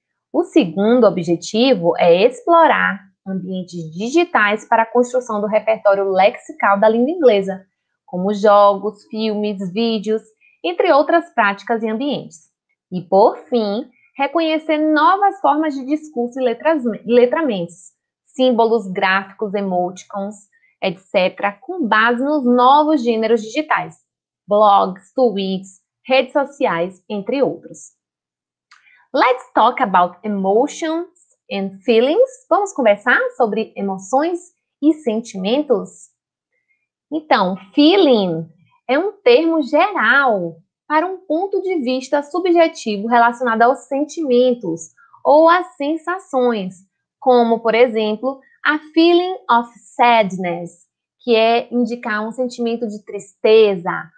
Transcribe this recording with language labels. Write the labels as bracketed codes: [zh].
[pt] O segundo objetivo é explorar ambientes digitais para a construção do repertório lexical da língua inglesa, como jogos, filmes, vídeos, entre outras práticas e ambientes. E, por fim, reconhecer novas formas de discurso e letramentos, símbolos, gráficos, emoticons, etc., com base nos novos gêneros digitais. Blogs, tweets, redes sociais, entre outros. [en] Let's talk about emotions and feelings. [pt] Vamos conversar sobre emoções e sentimentos? Então, feeling é um termo geral para um ponto de vista subjetivo relacionado aos sentimentos ou às sensações, como, por exemplo, [en] a feeling of sadness, [pt] que é indicar um sentimento de tristeza.